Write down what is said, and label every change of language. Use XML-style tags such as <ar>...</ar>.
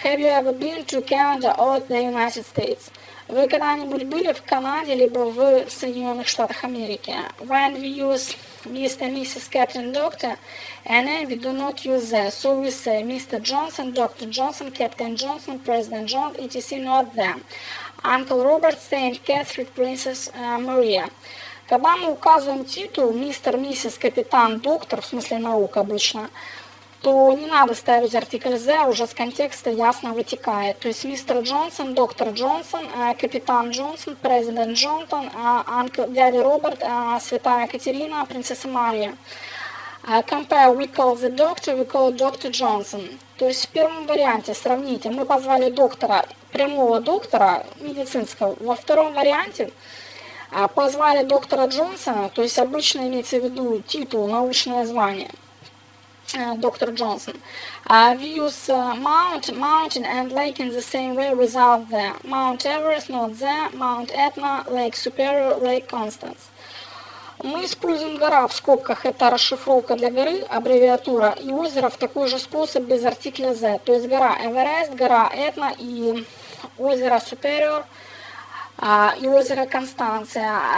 <en>Have you ever been to Canada or the United States?</en> <ru>Вы когда-нибудь были в Канаде либо в Соединенных Штатах Америки?</ru> <en>When we use Mr. and Mrs. Captain Doctor, and then we do not use the. So we say Mr. Johnson, Dr. Johnson, Captain Johnson, President John, etc. Not them. Uncle Robert, Saint Catherine, Princess Maria.</en> <ru>Когда мы указываем титул мистер, миссис, капитан, доктор, в смысле наука обычно, то не надо ставить артикль «the», уже с контекста ясно вытекает. То есть мистер Джонсон, доктор Джонсон, капитан Джонсон, президент Джонтон, дядя Роберт, святая Екатерина, принцесса Мария.</ru> <en>Compare, we call the doctor, we call Dr. Johnson.</en> <ru>То есть в первом варианте, сравните, мы позвали доктора, прямого доктора медицинского, во втором варианте, позвали доктора Джонсона, то есть обычно имеется в виду титул, научное звание. Доктор Джонсон.</ru> <en>We use mountain and lake in the same way without the. Mount Everest, not the. Mount Etna, Lake Superior, Lake Constance.</en> <ru>Мы используем гора в скобках, это расшифровка для горы, аббревиатура, и озеро в такой же способ без артикля the. То есть гора Эверест, гора Этна и озеро Superior и озеро Констанция.</ru>